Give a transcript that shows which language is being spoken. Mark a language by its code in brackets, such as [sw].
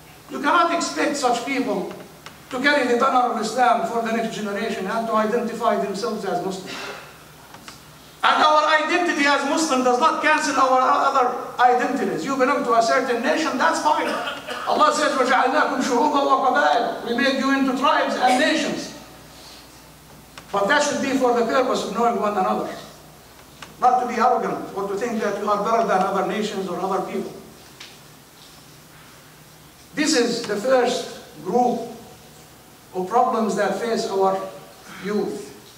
[en] You cannot expect such people to carry the banner of Islam for the next generation and to identify themselves as Muslims. And our identity as Muslim does not cancel our other identities. You belong to a certain nation, that's fine. Allah says, [ar] وَجَعَلْنَاكُمْ شُعُوبًا وَقَبَائِلَ. [en] We made you into tribes and nations. But that should be for the purpose of knowing one another. Not to be arrogant or to think that you are better than other nations or other people. This is the first group of problems that face our youth.